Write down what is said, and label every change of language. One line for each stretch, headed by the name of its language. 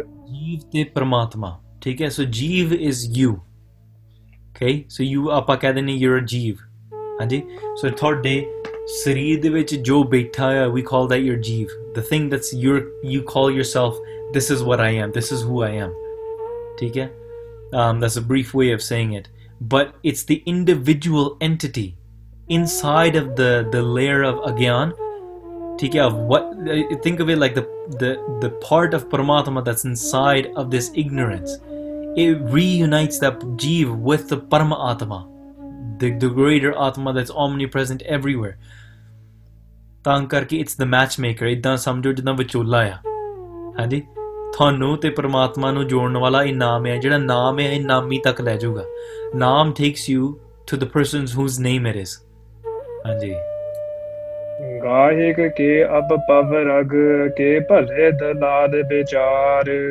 Punjabi: ਜੀਵ ਤੇ ਪਰਮਾਤਮਾ ਠੀਕ ਹੈ
English: so jeev is you okay so you
Punjabi: ਆਪਾਂ ਕਹਿ ਦਿੰਦੇ
English: your jeev
Punjabi: ਹਾਂਜੀ ਸੋ ਤੁਹਾਡੇ ਸਰੀਰ ਦੇ ਵਿੱਚ ਜੋ ਬੈਠਾ ਆ
English: we call that your jeev the thing that's your you call yourself this is what I am this is who I am
Punjabi: ਠੀਕ ਹੈ
English: That's a brief way of saying it But it's the individual entity inside of the layer of Agyan.
Punjabi: Theek hai,
English: what, think of it like the part of Paramatma that's inside of this ignorance. It reunites that Jeev with the Paramatma, the greater Atma that's omnipresent everywhere.
Punjabi: Taan karke
English: it's the matchmaker.
Punjabi: Iddaan samjho jidaan vichola hai. Haanji? ਤੁਹਾਨੂੰ ਅਤੇ ਪਰਮਾਤਮਾ ਨੂੰ ਜੋੜਨ ਵਾਲਾ ਇਹ ਨਾਮ ਹੈ ਜਿਹੜਾ ਨਾਮ ਹੈ ਇਹ ਨਾਮੀ ਤੱਕ ਲੈ ਜਾਊਗਾ
English: naam takes you to the person whose name it is
Punjabi: ਹਾਂਜੀ ਗਾਹਿਕ ਕੇ ਅਬ ਪਵ ਰਗ ਕੇ ਭਲੇ ਦਲਾਦ ਵਿਚਾਰ